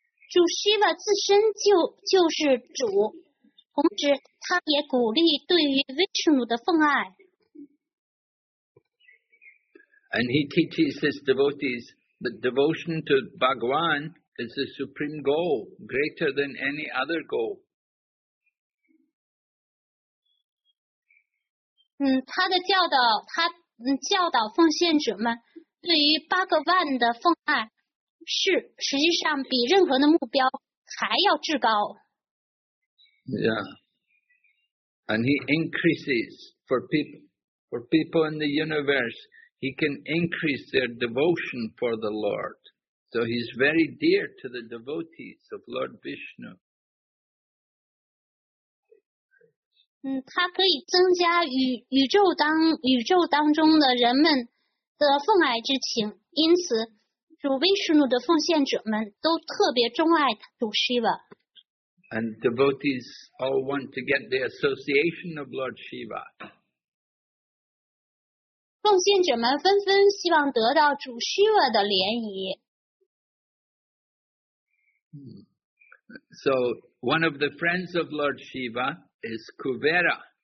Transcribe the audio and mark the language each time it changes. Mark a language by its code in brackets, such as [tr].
[zh] 主 Shiva 自身 就是主，同时他也鼓励对于 Vishnu 的奉爱。 [en] And he teaches his devotees that devotion to Bhagwan is the supreme goal, greater than any other goal. [zh] 他的教导，他教导奉献者们对于 Bhagwan 的奉爱是实际上比任何的目标还要至高。 [en] Yeah. And he increases for people in the universe, he can increase their devotion for the Lord. So he's very dear to the devotees of Lord Vishnu. [zh] 他可以增加宇宙当中的人们的奉爱之情，因此主维士努的奉献者们都特别钟爱主 Shiva。 [en] And devotees all want to get the association of Lord Shiva. [zh] 奉献者们纷纷希望得到主 Shiva 的联谊。 [en] So one of the friends of Lord Shiva is Kuvera.